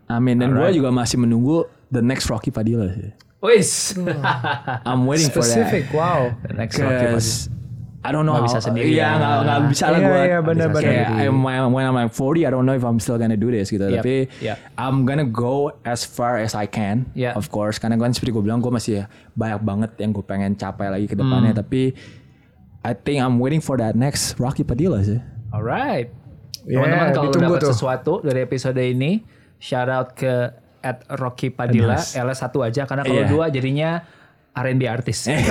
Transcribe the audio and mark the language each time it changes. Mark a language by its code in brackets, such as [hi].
[id] Amin. Dan gue juga masih menunggu [en] the next Rocky Padilla. Wis. I'm waiting specific for that. Specific, wow. The next Rocky Padilla. I don't know. [id] Gak bisa sendiri. Iya, gak bisa lah gue. Iya, bener-bener. [en] When I'm like 40, I don't know if I'm still gonna do this gitu. Yep. Tapi I'm gonna go as far as I can. Yep. Of course. [id] Karena kan seperti gue bilang, gue masih banyak banget yang gue pengen capai lagi ke depannya. [en] Tapi I think I'm waiting for that next Rocky Padilla sih. [id] Alright. Teman-teman kalau lo dapet sesuatu dari episode ini, shout out ke @ Rocky Padilla. L-nya satu aja, karena kalau dua jadinya R&B artist.